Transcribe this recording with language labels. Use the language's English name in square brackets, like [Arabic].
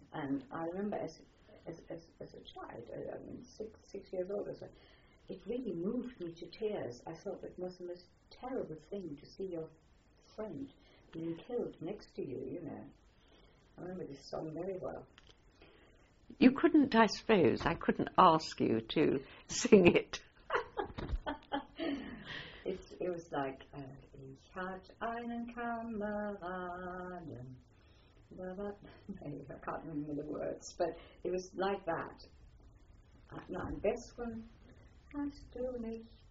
[English] And I remember as a child, I mean, six years old or so, it really moved me to tears. I thought it was the most terrible thing to see your friend being killed next to you, you know. I remember this song very well. You couldn't, I suppose, I couldn't ask you to sing it. It was like, [German] ich hatte einen Kameraden. [English] I can't remember the words, but it was like that. [German] Nein, besseren hast du nicht.